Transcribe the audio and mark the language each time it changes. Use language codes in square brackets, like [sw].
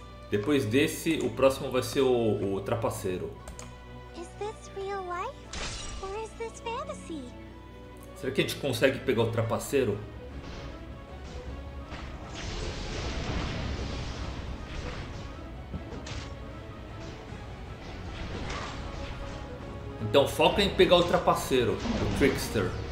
[pt] Depois desse, o próximo vai ser o trapaceiro. [en] Is this real life or is this fantasy? [pt] Será que a gente consegue pegar o trapaceiro? Então foca em pegar o trapaceiro, o Trickster.